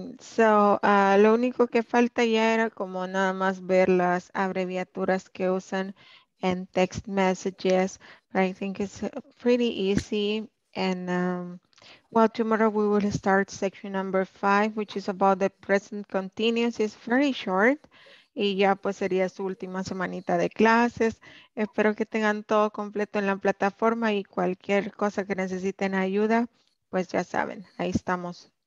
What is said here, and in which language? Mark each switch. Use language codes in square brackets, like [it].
[es] So, lo único que falta ya era como nada más ver las abreviaturas que usan en text messages. [en] I think it's pretty easy. And well, tomorrow we will start section number 5, which is about the present continuous. It's very short. [es] Y ya pues sería su última semanita de clases. Espero que tengan todo completo en la plataforma y cualquier cosa que necesiten ayuda, pues ya saben, ahí estamos.